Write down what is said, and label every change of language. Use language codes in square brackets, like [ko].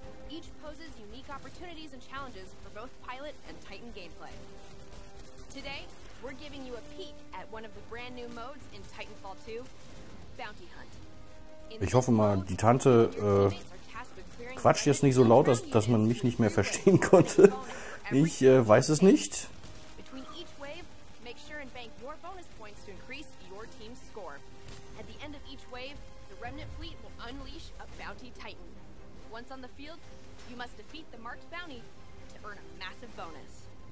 [en] Each poses unique opportunities and challenges for both Pilot and Titan gameplay. Today, we're giving you a peek at one of the brand new modes in Titanfall 2, Bounty Hunt. [de] Ich hoffe mal, die Tante quatscht jetzt nicht so laut, dass man mich nicht mehr verstehen konnte. Ich weiß es nicht. [en] Between each wave, make sure and bank your bonus points to increase your team's score. At the end of each wave, the Remnant fleet will unleash a Bounty Titan. Once on the field, you must defeat the marked bounty to earn a massive bonus.